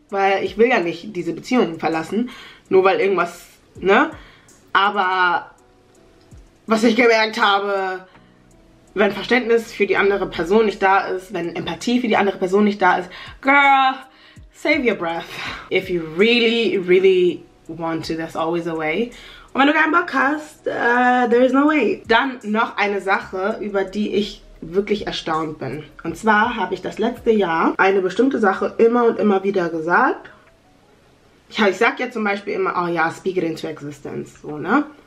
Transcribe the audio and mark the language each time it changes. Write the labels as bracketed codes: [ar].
[de] Weil ich will ja nicht diese Beziehung verlassen, nur weil irgendwas, ne? Aber was ich gemerkt habe, wenn Verständnis für die andere Person nicht da ist, wenn Empathie für die andere Person nicht da ist, girl, [en] save your breath. If you really, really want to, there's always a way. [de] Und wenn du keinen Bock hast, [en] there is no way. [de] Dann noch eine Sache, über die ich wirklich erstaunt bin. Und zwar habe ich das letzte Jahr eine bestimmte Sache immer und immer wieder gesagt. Ich sag ja zum Beispiel immer, oh ja, [en] speak it into existence, [de] so, ne?